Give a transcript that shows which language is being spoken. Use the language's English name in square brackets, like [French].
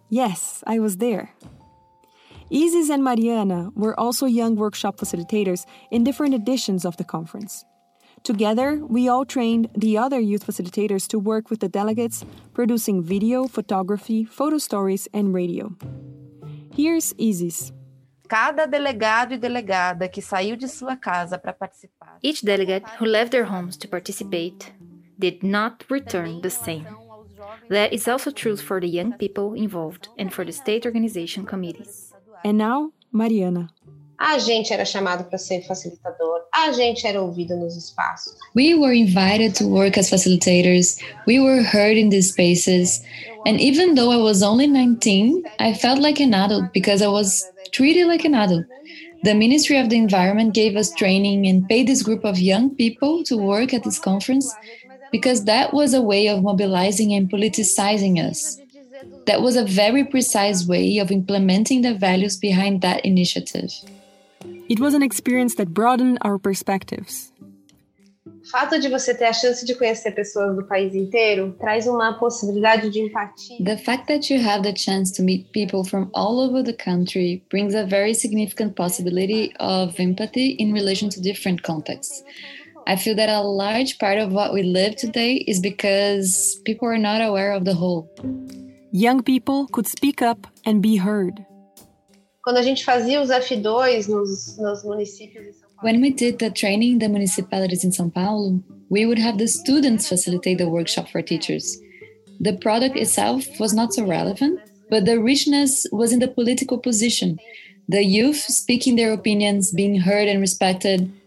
[English] Yes, I was there. Isis and Mariana were also young workshop facilitators in different editions of the conference. Together, we all trained the other youth facilitators to work with the delegates, producing video, photography, photo stories, and radio. Here's Isis. [Portuguese] Cada delegado e delegada que saiu de sua casa para participar. [English] Each delegate who left their homes to participate did not return the same. That is also true for the young people involved and for the state organization committees. And now, Mariana. [Portuguese] A gente era chamado para ser facilitador. A gente era ouvido nos espaços. [English] We were invited to work as facilitators. We were heard in these spaces. And even though I was only 19, I felt like an adult because I was treated like an adult. The Ministry of the Environment gave us training and paid this group of young people to work at this conference because that was a way of mobilizing and politicizing us. That was a very precise way of implementing the values behind that initiative. It was an experience that broadened our perspectives. [Portuguese] O fato de você ter a chance de conhecer pessoas do país inteiro traz uma possibilidade de empatia. [English] The fact that you have the chance to meet people from all over the country brings a very significant possibility of empathy in relation to different contexts. I feel that a large part of what we live today is because people are not aware of the whole. Young people could speak up and be heard. [Portuguese] Quando a gente fazia os F2 nos municípios de São Paulo. [English] When we did the training in the municipalities in São Paulo, we would have the students facilitate the workshop for teachers. The product itself was not so relevant, but the richness was in the political position. The youth speaking their opinions, being heard and respected.